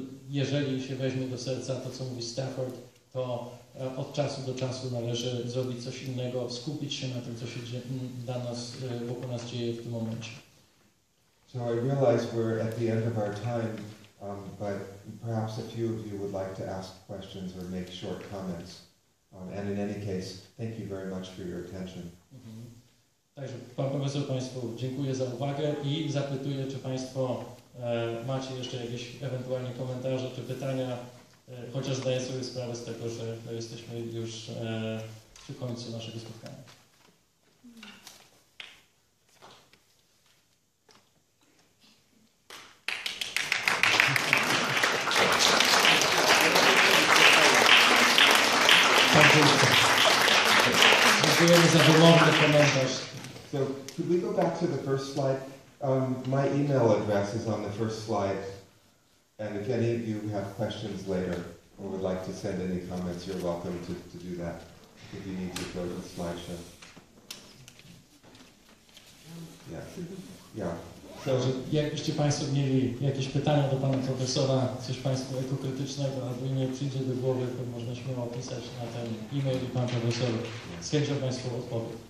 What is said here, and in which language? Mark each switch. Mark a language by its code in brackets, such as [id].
[pl] Jeżeli się weźmie do serca to, co mówi Stafford, to od czasu do czasu należy zrobić coś innego, skupić się na tym, co się dla nas, wokół nas dzieje w tym momencie. [en] So I realize we're at the end of our time, but perhaps a few of you would like to ask questions or make short comments. And in any case, thank you very much for your attention. [pl] Także pan profesor, państwu dziękuję za uwagę i zapytuję, czy państwo macie jeszcze jakieś ewentualnie komentarze czy pytania, chociaż zdaję sobie sprawę z tego, że jesteśmy już przy końcu naszego spotkania. Dziękujemy za wymowny komentarz. [en] So, could we go back to the first slide? My email address is on the first slide. And if any of you have questions later or would like to send any comments, you're welcome to do that if you need to go to the slideshow. Yeah. [pl] So, jakbyście państwo mieli jakieś pytania do pana profesora, coś państwu ekokrytycznego albo imię przyjdzie do głowy, to można śmiało pisać na ten e-mail i pan profesor z chęcią państwu odpowie.